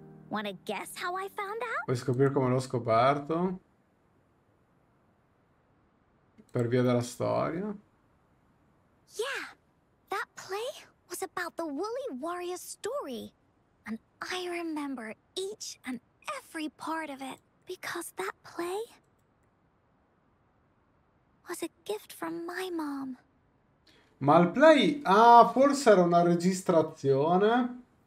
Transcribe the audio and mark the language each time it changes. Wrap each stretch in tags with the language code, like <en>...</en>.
<it>Vuoi scoprire come l'ho scoperto? Per via della storia?</it> <en>Yeah, that play was about the Woolly Warrior story, and I remember each and every part of it because that play was a gift from my mom.</en> <it>Ma il play, forse era una registrazione.</it>